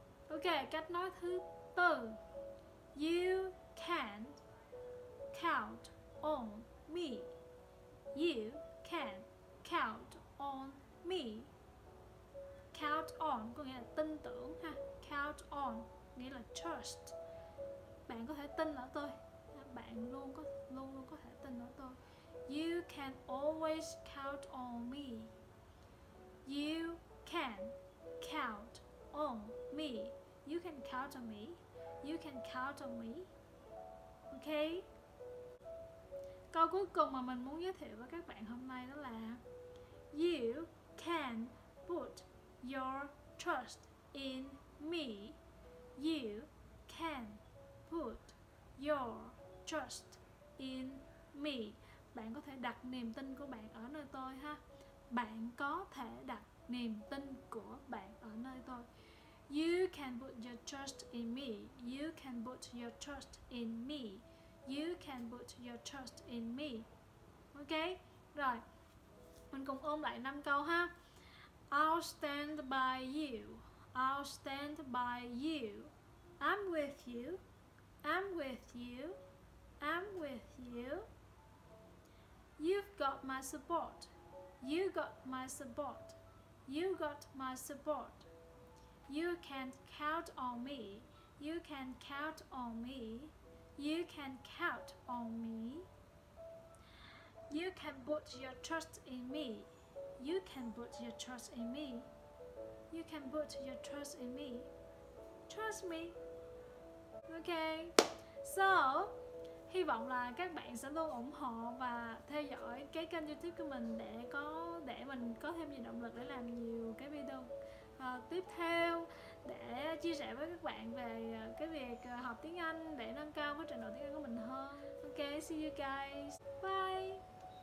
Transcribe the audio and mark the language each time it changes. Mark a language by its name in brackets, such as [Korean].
[Vietnamese] Ok, cách nói thứ tư. [English] You can count on me. You can count on me. Count on [Vietnamese] có nghĩa là tin tưởng ha. [English] Count on [Vietnamese] nghĩa là trust. Bạn có thể tin ở tôi. Bạn luôn luôn có thể tin ở tôi. [English] You can always count on me. You can count on me. You can count on me. You can count on me. [Vietnamese] Ok, câu cuối cùng mà mình muốn giới thiệu với các bạn hôm nay đó là [English] You can put your trust in me. You can put your trust in me. [Vietnamese] Bạn có thể đặt niềm tin của bạn ở nơi tôi ha. Bạn có thể đặt niềm tin của bạn ở nơi tôi. [English] You can put your trust in me. You can put your trust in me. You can put your trust in me. [Vietnamese] Ok, rồi mình cùng ôm lại 5 câu ha. [English] I'll stand by you. I'll stand by you. I'm with you. I'm with you. I'm with you. You've got my support. You got my support. You got my support. You can count on me. You can count on me. You can count on me. You can put your trust in me. You can put your trust in me. You can put your trust in me. Trust me. Okay. [Vietnamese] So, hy vọng là các bạn sẽ luôn ủng hộ và theo dõi cái kênh YouTube của mình để mình có thêm nhiều động lực để làm nhiều cái video tiếp theo, để chia sẻ với các bạn về cái việc học tiếng Anh để nâng cao cái trình độ tiếng Anh của mình hơn. Ok, [English] see you guys. [Vietnamese] Bye.